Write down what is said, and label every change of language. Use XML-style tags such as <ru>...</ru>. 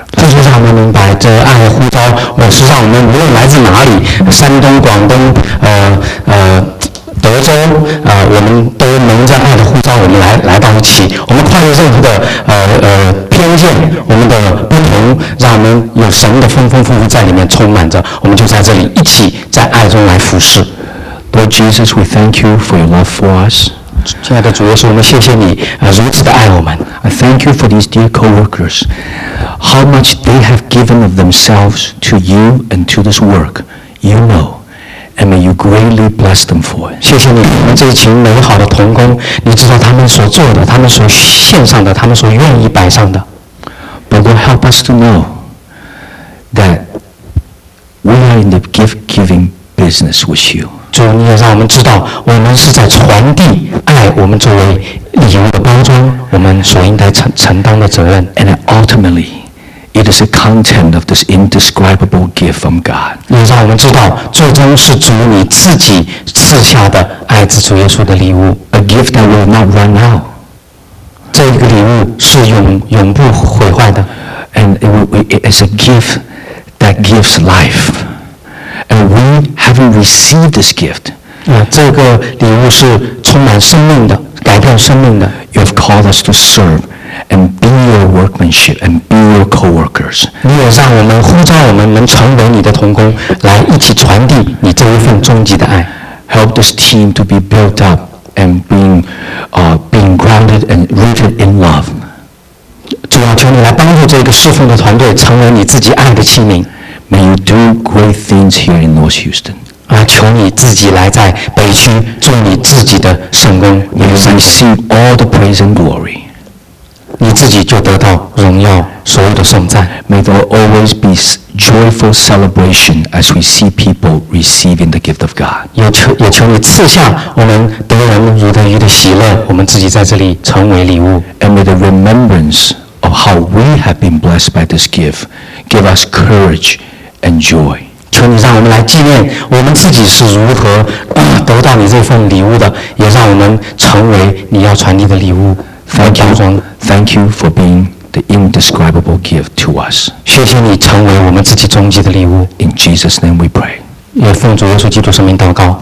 <zh>弟兄姊妹们明白这爱的呼召，我实际上我们无论来自哪里，山东、广东、德州，我们都蒙着爱的呼召，我们来到一起，我们跨越任何的偏见，我们的不同，让我们有神的丰富在里面充满着，我们就在这里一起在爱中来服侍。</zh> <en>Lord Jesus, we thank you for your love for us.</en> <zh>亲爱的主耶稣，我们谢谢你如此的爱我们。</zh> <en>I thank you for these dear co-workers, how much they have given of themselves to you and to this work, you know. And may you greatly bless them for it.</en> <zh>谢谢你，我们这群美好的同工，你知道他们所做的，他们所献上的，他们所愿意摆上的。</zh> <en>But Lord, help us to know that we are in the gift-giving business with you.</en> <zh>主，你也让我们知道，我们是在传递爱，我们作为礼物的包装，我们所应该承担的责任。</zh> <en>And ultimately. It is the content of this indescribable gift from God.</en> <zh>也让我们知道，最终是主你自己赐下的爱子主耶稣的礼物。</zh> <en>A gift that will not run out.</en> <zh>这个礼物是永不毁坏的。</zh> <en>And it is a gift that gives life. And we haven't received this gift.</en> <zh>这个礼物是充满生命的，改变生命的。</zh> <en>You have called us to serve. And be your workmanship, and be your co-workers.</en> <zh>你也让我们呼召我们能成为你的同工，来一起传递你这一份终极的爱。</zh> <en>Help this team to be built up and being grounded and rooted in love.</en> <zh>主啊，求你来帮助这个侍奉的团队成为你自己爱的器皿。</zh> <en>May you do great things here in North Houston.</en> <zh>啊，求你自己来在北区做你自己的圣工。</zh> <en>May you receive all the praise and glory.</en> <zh>你自己就得到荣耀，所有的颂赞。</zh> <en>May there always be joyful celebration as we see people receiving the gift of God.</en> <zh>也求你赐下我们得人如得鱼的喜乐，我们自己在这里成为礼物。</zh> <en>And may the remembrance of how we have been blessed by this gift give us courage and joy.</en> <zh>求你让我们来纪念我们自己是如何得到你这份礼物的，也让我们成为你要传递的礼物。</zh> <en>Thank you for being the indescribable gift to us.</en> <zh>谢谢你成为我们自己终极的礼物。</zh> <en>In Jesus' name we pray.</en> <zh>也奉主耶稣基督圣名祷告。</zh>